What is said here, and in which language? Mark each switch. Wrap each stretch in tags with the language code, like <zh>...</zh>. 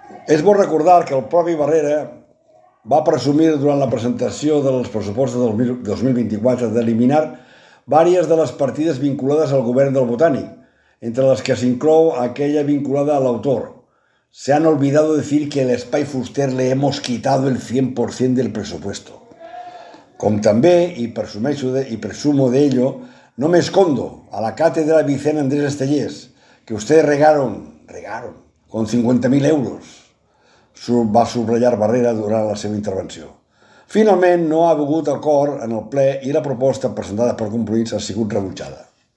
<ca>És bo recordar que el propi Barrera va presumir durant la presentació dels pressupostos del 2024 d'eliminar diverses de les partides vinculades al govern del Botànic, entre les que s'inclou aquella vinculada a l'autor.</ca> <es>Se han olvidado decir que el Espai Fuster le hemos quitado el 100% del presupuesto.</es> <ca>Com també,</ca> <es>i presumo d'ello, no me escondo a la càtedra Vicent Andrés Estellés, que ustedes regaron, con 50.000 euros,</es> <ca>va subratllar Barrera durant la seva intervenció. Finalment, no ha hagut acord en el ple i la proposta presentada per Compromís ha sigut rebutjada.</ca>